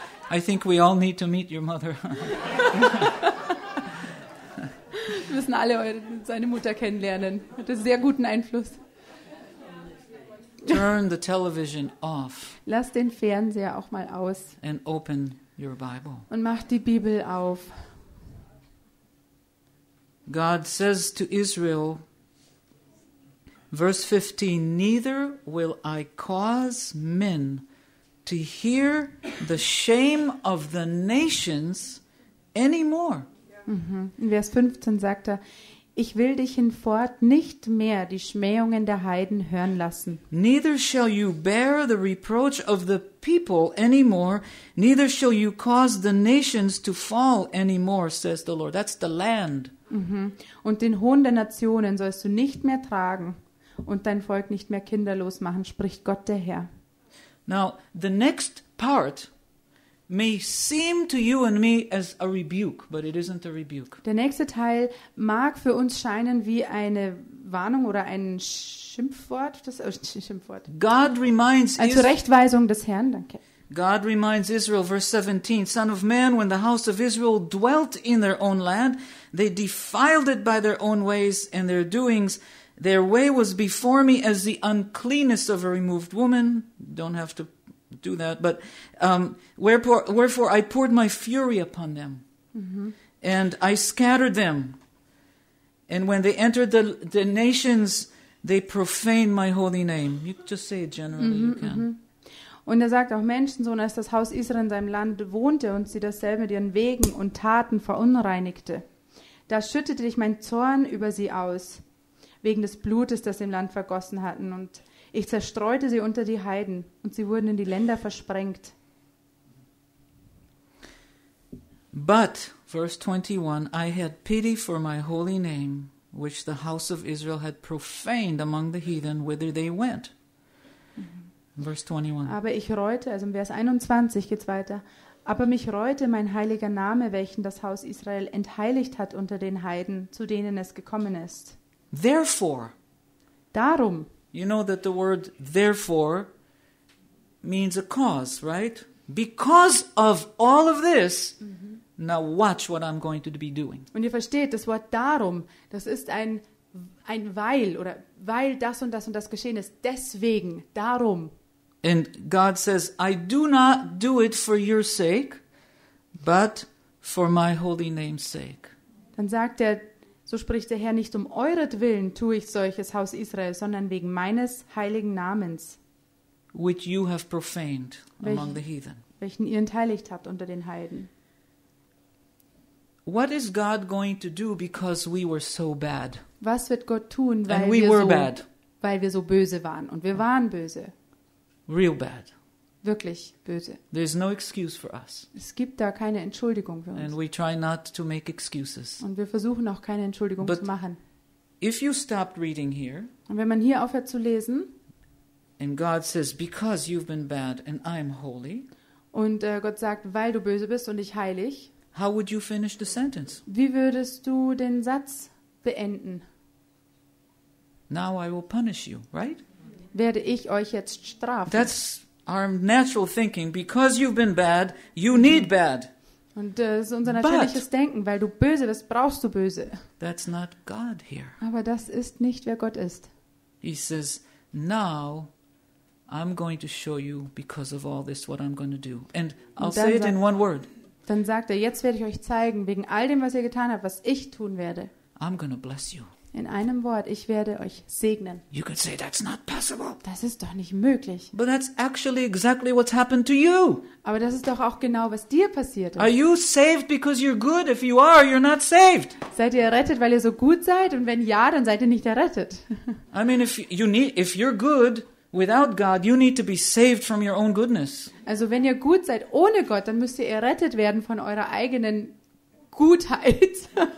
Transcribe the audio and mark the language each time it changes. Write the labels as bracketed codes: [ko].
[en] I think we all need to meet your mother. [de] Wir müssen alle seine Mutter kennenlernen. Hat einen sehr guten Einfluss. [en] Turn the television off. [de] Lass den Fernseher auch mal aus. [en] And open your Bible. [de] Und mach die Bibel auf. [en] God says to Israel, Verse 15, neither will I cause men to hear the shame of the nations anymore. [de] In Vers 15 sagt er, ich will dich hinfort nicht mehr die Schmähungen der Heiden hören lassen. [en] Neither shall you bear the reproach of the people anymore, neither shall you cause the nations to fall anymore, says the Lord. That's the land. [de] Und den Hohn der Nationen sollst du nicht mehr tragen und dein Volk nicht mehr kinderlos machen, spricht Gott der Herr. [en] Now, the next part may seem to you and me as a rebuke, but it isn't a rebuke. [de] Der nächste Teil mag für uns scheinen wie eine Warnung oder ein Schimpfwort. [en] God reminds Israel. [de] Zurechtweisung des Herrn, danke. [en] God reminds Israel, verse 17, Son of man, when the house of Israel dwelt in their own land, they defiled it by their own ways and their doings. Their way was before me as the uncleanness of a removed woman. Don't have to do that, but wherefore I poured my fury upon them, and I scattered them. And when they entered the nations, they profaned my holy name. You can just say it generally. [de] Und er sagt auch, Menschensohn, als das Haus Israel in seinem Land wohnte und sie dasselbe mit ihren Wegen und Taten verunreinigte, da schüttete ich mein Zorn über sie aus, wegen des Blutes, das sie im Land vergossen hatten, und ich zerstreute sie unter die Heiden und sie wurden in die Länder versprengt. [en] But, verse 21, I had pity for my holy name, which the house of Israel had profaned among the heathen, whither they went. Verse 21. [de] Aber ich reute, also im Vers 21 geht's weiter, aber mich reute mein heiliger Name, welchen das Haus Israel entheiligt hat unter den Heiden, zu denen es gekommen ist. [en] Therefore. [de] Darum. [en] You know that the word therefore means a cause, right? Because of all of this, now watch what I'm going to be doing. [de] Und ihr versteht, das Wort darum, das ist ein weil, oder weil das und das und das geschehen ist, deswegen, darum. [en] And God says, I do not do it for your sake, but for my holy name's sake. [de] Dann sagt er, so spricht der Herr, nicht um euretwillen tue ich solches, Haus Israel, sondern wegen meines heiligen Namens. [en] Which you have profaned among the heathen. [de] Welchen ihr entheiligt habt unter den Heiden. [en] What is God going to do because we were so bad? [de] Was wird Gott tun, weil wir so böse waren? Und wir waren böse. [en] Real bad. [de] Wirklich böse. [en] There's no excuse for us. [de] Es gibt da keine Entschuldigung für uns. [en] And we try not to make excuses. [de] Und wir versuchen auch keine Entschuldigung [en] But [de] zu machen. [en] If you stopped reading here, [de] und wenn man hier aufhört zu lesen, [en] and God says, because you've been bad and I'm holy, [de] und Gott sagt, weil du böse bist und ich heilig, [en] how would you finish the sentence? [de] Wie würdest du den Satz beenden? [en] Now I will punish you, right? [de] Werde ich euch jetzt strafen. [en] That's our natural thinking. Because you've been bad, you need bad. [de] Und das ist unser natürliches Denken. Weil du böse bist, brauchst du böse. [en] That's not God here. [de] Aber das ist nicht, wer Gott ist. [en] He says, now I'm going to show you because of all this what I'm going to do. And I'll say it in one word. [de] Dann sagt er, jetzt werde ich euch zeigen, wegen all dem, was ihr getan habt, was ich tun werde. [en] I'm going to bless you. [de] In einem Wort, ich werde euch segnen. [en] You could say, that's not possible. [de] Das ist doch nicht möglich. [en] But that's actually exactly what's happened to you. [de] Aber das ist doch auch genau, was dir passiert ist. [en] Are you saved because you're good? If you are, you're not saved. [de] Seid ihr errettet, weil ihr so gut seid? Und wenn ja, dann seid ihr nicht errettet. [en] I mean, if you're good without God, you need to be saved from your own goodness. [de] Also wenn ihr gut seid ohne Gott, dann müsst ihr errettet werden von eurer eigenen Gutheit.